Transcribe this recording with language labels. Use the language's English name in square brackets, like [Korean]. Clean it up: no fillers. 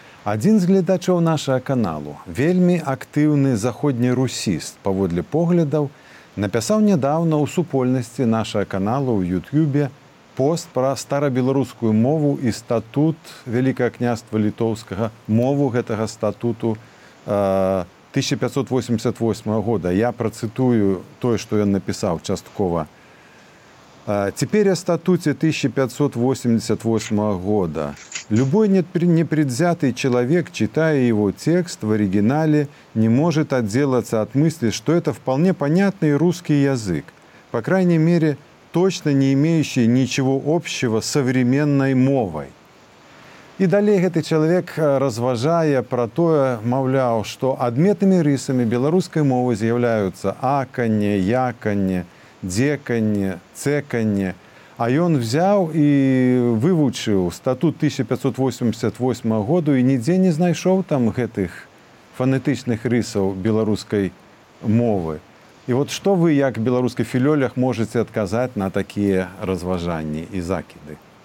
[Belarusian] Адзін з гледачоў нашага каналу, вельмі актыўны заходні русіст, паводле поглядаў, напісаў нядаўна ў супольнасці нашага каналу ў Ютьюбе пост пра старабеларускую мову і статут Вялікага княства літоўскага, мову гэтага статуту 1588 года. Я працытую тое, што ён напісаў часткова. [Russian] Теперь о статуте 1588 года. Любой непредвзятый человек, читая его текст в оригинале, не может отделаться от мысли, что это вполне понятный русский язык, по крайней мере, точно не имеющий ничего общего с современной мовой. И далее этот человек, разважая про то, мовлял, что адметными рисами белорусской мовы являются аканье, яканье, дзеканне, цэканне. [Belarusian] А ён взяў і вывучыў статут 1588 году і нідзе не знайшоў там гэтых фанетычных рысаў беларускай мовы. І вот што вы, як беларускі філёлях, можаце адказаць на такія разважанні і закіды?